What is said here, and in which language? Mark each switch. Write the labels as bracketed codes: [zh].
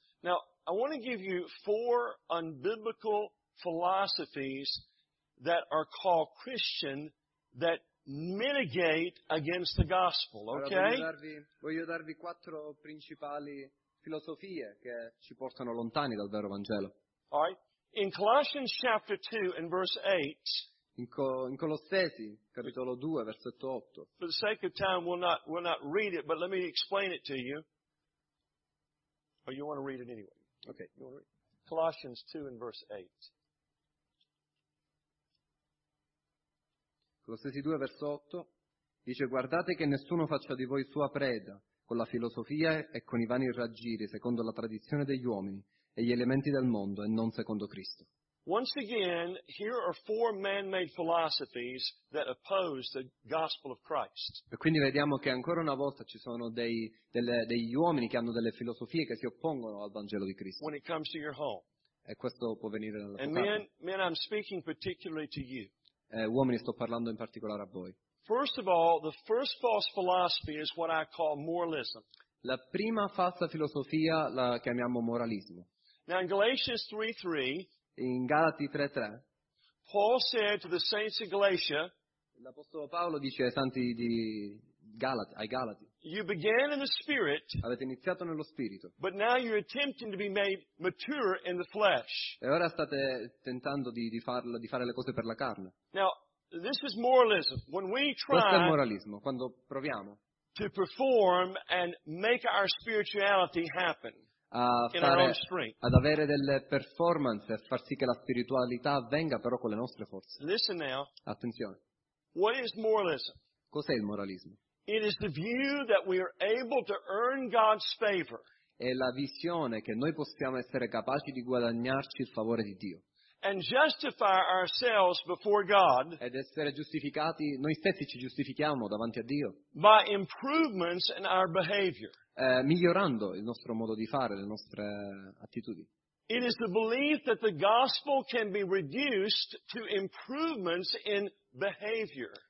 [en] Now, I want to give you four unbiblical philosophies that are called Christian that mitigate against the gospel, okay? [it] Allora, voglio darvi quattro principali filosofie che ci portano lontani dal vero Vangelo. [en] All right. In Colossians chapter 2 and verse 8. [it] In Colossesi capitolo 2 versetto 8. [en] For the sake of time, we'll not read it, but let me explain it to you. Or you want to read it anyway? Okay. You want to read it? Colossians 2 and verse 8. [it] Colossesi 2, verso 8, dice: guardate che nessuno faccia di voi sua preda, con la filosofia e con i vani raggiri, secondo la tradizione degli uomini e gli elementi del mondo, e non secondo Cristo. [en] Once again, here are four man-made philosophies that oppose the gospel of Christ. [it] E quindi vediamo che ancora una volta ci sono degli uomini che hanno delle filosofie che si oppongono al Vangelo di Cristo. [en] When it comes to your home. [it] E questo può venire dalla tua casa. [en] And men, I'm speaking particularly to you. [it] Uomini, sto parlando in particolare a voi. [en] First of all, the first false philosophy is what I call moralism. [it] La prima falsa filosofia la chiamiamo moralismo. [en] Now in Galatians 3:3, [it] in Galati 3:3, [en] Paul said to the saints of Galatia, [it] l'apostolo Paolo dice ai santi di Galati, ai Galati, [en] you began in the spirit, [it] avete iniziato nello spirito, [en] but now you're attempting to be made mature in the flesh. [it] E ora state tentando di fare le cose per la carne. [en] Now, this is moralism. When we try, [it] questo è moralismo, quando proviamo [en] to perform and make our spirituality happen in our own strength. [it] Ad avere delle performance, a far sì che la spiritualità avvenga però con le nostre forze. [en] Listen now. [it] Attenzione. [en] What is moralism? [it] Cos'è il moralismo? [en] It is the view that we are able to earn God's favor. [it] È la visione che noi possiamo essere capaci di guadagnarci il favore di Dio. [en] And justify ourselves before God. [it] Ed essere giustificati, noi stessi ci giustifichiamo davanti a Dio. [en] By improvements in our behavior. [it] Migliorando il nostro modo di fare, le nostre attitudini. [en] It is the belief that the gospel can be reduced to improvements in behavior.